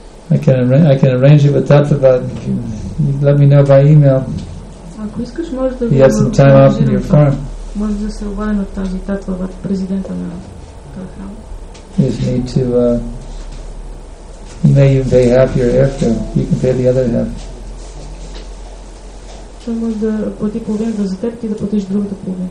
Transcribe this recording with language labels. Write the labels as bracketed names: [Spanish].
[English] I can arrange it with Tathavad. You let me know by email. You have some time off in your farm. [Bulgarian] Може да се обади на тази татва, президента на този храм. [English] You just need to you may even pay half your airfare. You can pay the other half. [Bulgarian] Той може да плати половината за теб, ти да платиш другата половина.